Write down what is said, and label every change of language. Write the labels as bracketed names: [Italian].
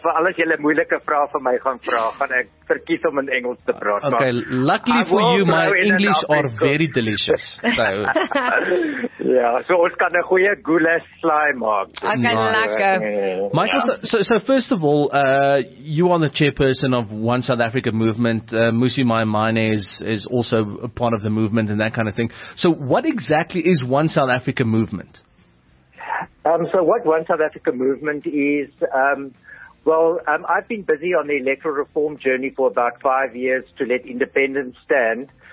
[Afrikaans] For alles jylle moeilike vraag van my gaan vraag, gaan ek verkies om in Engels te praat. [English] Okay, luckily for you, my English are very delicious. So. [Afrikaans] Ja, so ons kan een goeie goulash slaai maak. Okay, lekker. [English] Michael, so first of all, you are the chairperson of One South Africa Movement. Musi Maimane is also a part of the movement and that kind of thing. So what exactly is One South Africa Movement? So what One South Africa Movement is, I've been busy on the electoral reform journey for about 5 years to let independence stand.